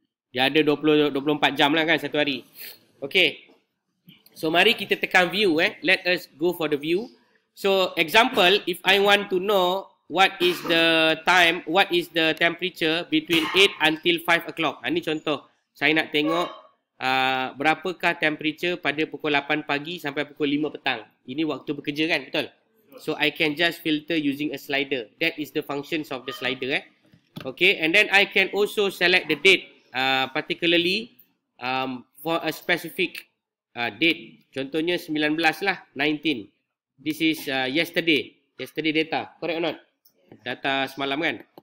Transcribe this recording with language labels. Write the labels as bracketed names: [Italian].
[Malay] Dia ada 24 jam lah kan satu hari. Okay. [English] So, [Malay] mari kita tekan [English] view eh. Let us go for the view. So, example, if I want to know what is the time, what is the temperature between 8 until 5 o'clock. [Malay] Ini contoh. Saya nak tengok berapakah temperature pada pukul 8 pagi sampai pukul 5 petang. Ini waktu bekerja kan? Betul? [English] So, I can just filter using a slider. That is the functions of the slider eh. Okay. And then, I can also select the date. Particularly, for a specific date. [Malay] Contohnya, 19 lah. [English] 19. This is yesterday. Yesterday data. Correct or not? [Malay] Data semalam kan?